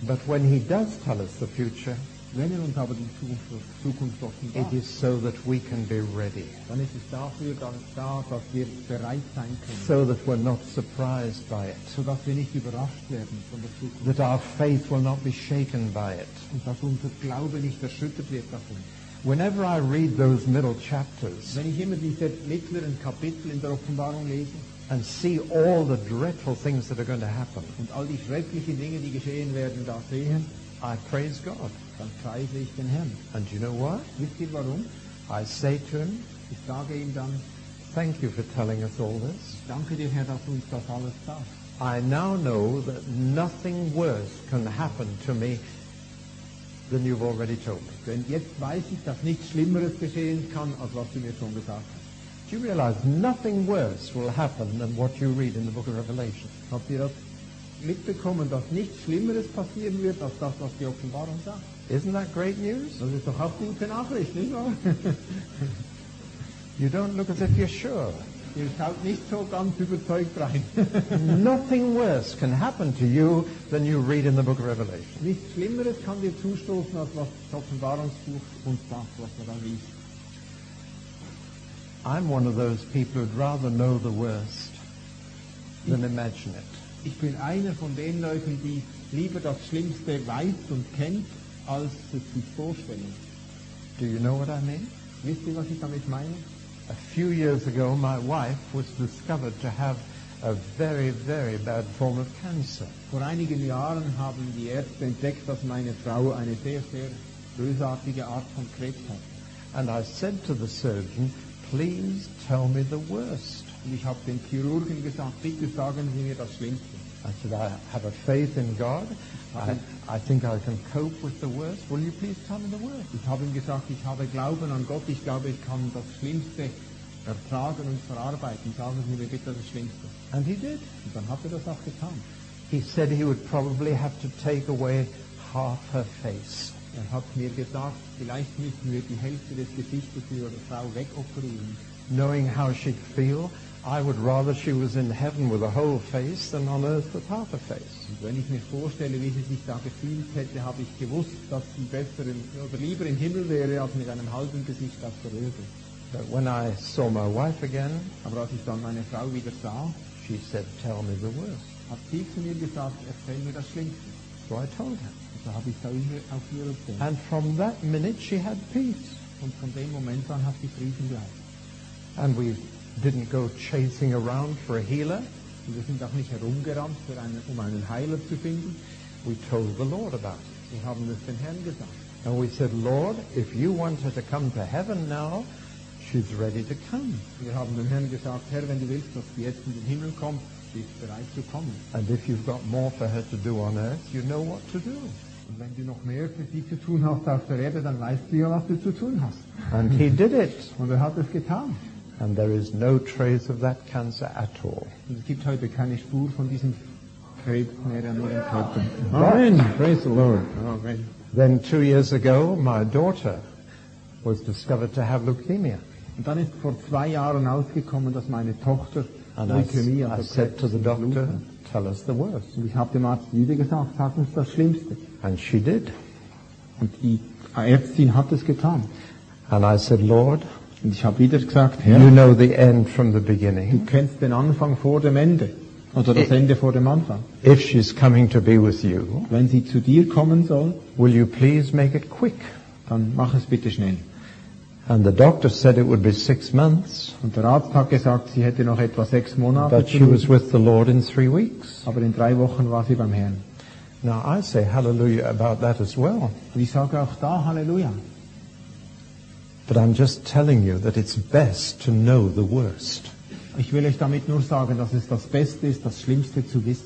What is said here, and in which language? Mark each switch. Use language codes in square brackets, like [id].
[en] But when He does tell us the future, [de] wenn wir uns aber die Zukunft offenbart, [en] it is so that we can be ready. [de] Dann ist es dafür da, dass wir bereit sein können. [en] So that we're not surprised by it. [de] So dass wir nicht überrascht werden von der Zukunft. [en] That our faith will not be shaken by it. [de] Und dass unser Glaube nicht erschüttert wird davon. [en] Whenever I read those middle chapters, [de] wenn ich immer diese mittleren Kapitel in der Offenbarung lese, [en] and see all the dreadful things that are going to happen, [de] und all die schrecklichen Dinge, die geschehen werden, da sehen, [en] I praise God. [de] Dann preise ich den Herrn. [en] And you know what? [de] Wisst ihr warum? [en] I say to him, [de] ich sage ihm dann, [en] thank you for telling us all this. [de] Danke dir, Herr, dass du uns das alles sagst. [en] I now know that nothing worse can happen to me than you've already told me. [de] Denn jetzt weiß ich, dass nichts Schlimmeres geschehen kann, als was du mir schon gesagt hast. [en] Do you realize nothing worse will happen than what you read in the book of Revelation? [de] Habt ihr das mitbekommen, dass nichts Schlimmeres passieren wird, als das, was die Offenbarung sagt? [en] Isn't that great news? [de] Das ist doch auch gute Nachricht, nicht wahr? [en] You don't look as if you're sure. [de] Ihr schaut nicht so ganz überzeugt rein. [en] Nothing worse can happen to you than you read in the book of Revelation. [de] Nichts Schlimmeres kann dir zustoßen, als was das Offenbarungsbuch uns sagt, was man da liest. [en] I'm one of those people who'd rather know the worst than imagine it. [de] Ich bin einer von den Leuten, die lieber das Schlimmste weiß und kennt, als sich vorstellen. [en] Do you know what I mean? [de] Wisst ihr, was ich damit meine? [en] A few years ago, my wife was discovered to have a very, very bad form of cancer. [de] Vor einigen Jahren haben die Ärzte entdeckt, dass meine Frau eine sehr, sehr bösartige Art von Krebs hat. [en] And I said to the surgeon, please tell me the worst. [de] Und ich habe dem Chirurgen gesagt, bitte sagen Sie mir das Schlimmste. [en] I said, I have a faith in God. I think I can cope with the worst. Will you please tell me the worst? [de] Ich habe ihm gesagt, ich habe Glauben an Gott. Ich glaube, ich kann das Schlimmste ertragen und verarbeiten. Sagen Sie mir bitte das Schlimmste. [en] And he did. [de] Und dann hat er das auch getan. [en] He said he would probably have to take away half her face. [de] Er hat mir gesagt, vielleicht müssen wir die Hälfte des Gesichtes ihrer Frau wegoperieren. [en] Knowing how she'd feel, I would rather she was in heaven with a whole face than on earth with half a face. [de] Wenn ich mir vorstelle, wie sie sich da gefühlt hätte, habe ich gewusst, dass sie besser im, oder lieber im Himmel wäre, als mit einem halben Gesicht auf der Erde. [en] But when I saw my wife again, [de] aber als ich dann meine Frau wieder sah, [en] she said, tell me the worst. [de] Hat sie zu mir gesagt, erzähl mir das Schlimmste. [en] So I told her. [de] Also habe ich da auf ihr erzählt. [en] And from that minute she had peace. [de] Und von dem Moment an hat sie Frieden gehabt. [en] And we didn't go chasing around for a healer. [de] Und wir sind auch nicht herumgerannt, um einen Heiler zu finden. [en] We told the Lord about it. [de] Wir haben es dem Herrn gesagt. [en] And we said, Lord, if you want her to come to heaven now, she's ready to come. [de] Wir haben dem Herrn gesagt, Herr, wenn du willst, dass sie jetzt in den Himmel kommt, sie ist bereit zu kommen. [en] And if you've got more for her to do on earth, you know what to do. [de] Und wenn du noch mehr für sie zu tun hast auf der Erde, dann weißt du ja, was du zu tun hast. [en] And he did it. [de] Und hat es getan. [en] And there is no trace of that cancer at all. [de] Und es gibt heute keine Spur von diesem Krebs mehr an ihrem Körper. [en] Amen. Praise the Lord. Amen. Then 2 years ago, my daughter was discovered to have leukemia. [de] Und dann ist vor 2 Jahren ausgekommen, dass meine Tochter Leukämie hatte. [en] I said to the doctor, tell us the worst. [de] Und ich habe dem Arzt wieder gesagt, sag uns das Schlimmste. [en] And she did. [de] Und die Ärztin hat es getan. [en] And I said, Lord, [de] und ich habe wieder gesagt, Herr, [en] you know the end from the beginning. [de] Du kennst den Anfang vor dem Ende. Oder das Ende vor dem Anfang. [en] If she's coming to be with you, [de] wenn sie zu dir kommen soll, [en] will you please make it quick? [de] Dann mach es bitte schnell. [en] And the doctor said it would be 6 months. [de] Und der Arzt hat gesagt, sie hätte noch etwa 6 Monate. [en] But she was with the Lord in 3 weeks. [de] Aber in 3 Wochen war sie beim Herrn. [en] Now I say hallelujah about that as well. [de] Und ich sage auch da Halleluja. [en] But I'm just telling you that it's best to know the worst. [de] Ich will euch damit nur sagen, dass es das Beste ist, das Schlimmste zu wissen.